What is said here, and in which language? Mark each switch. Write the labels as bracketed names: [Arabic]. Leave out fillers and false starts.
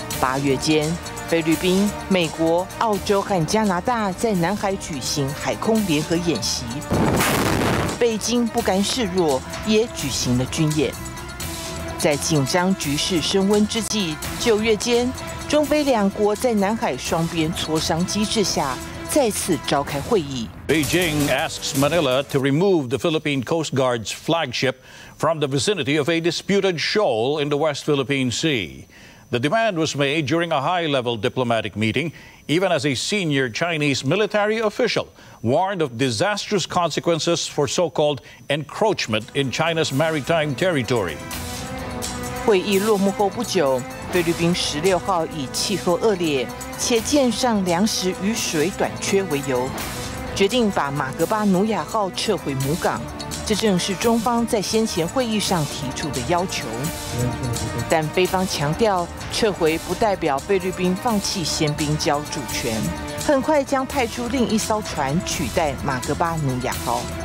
[Chinese] 八月间，菲律宾、美国、澳洲和加拿大在南海举行海空联合演习。北京不甘示弱，也举行了军演。在紧张局势升温之际，九月间，中菲两国在南海双边磋商机制下再次召开会议。 [English] Beijing asks Manila to remove the Philippine Coast Guard's flagship from the vicinity of a disputed shoal in the West Philippine Sea. The demand was made during a high-level diplomatic meeting even as a senior Chinese military official warned of disastrous consequences for so-called encroachment in China's maritime territory. [Chinese] 会议落幕后不久，菲律宾16号以气候恶劣且舰上粮食与水短缺为由，决定把马格巴努亚号撤回母港。这正是中方在先前会议上提出的要求，但菲方强调撤回不代表菲律宾放弃先兵礁主权，很快将派出另一艘船取代马格巴努亚号。